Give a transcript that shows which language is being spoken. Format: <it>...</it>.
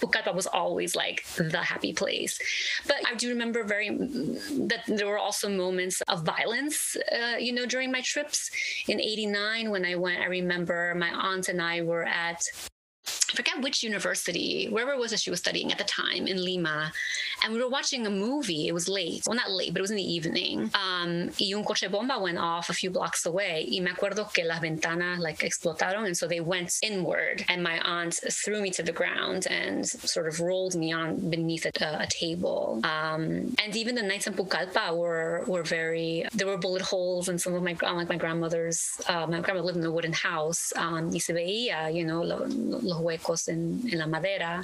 <en>Pucallpa was always like the happy place. But I do remember very, that there were also moments of violence, during my trips. In 89, when I went, I remember my aunt and I were at, I forget which university, wherever it was that she was studying at the time in Lima. And we were watching a movie. It was late. Well, not late, but it was in the evening.</en> <es>Y un coche bomba</es> <en>went off a few blocks away.</en> <es>Y me acuerdo que las ventanas like explotaron.</es> <en>And so they went inward. And my aunt threw me to the ground and sort of rolled me on beneath a table. And even the nights in Pucallpa were very, there were bullet holes in some of my, like my grandmother's, my grandmother lived in a wooden house.</en> <es>Y se veía, los huecos en la madera.</es>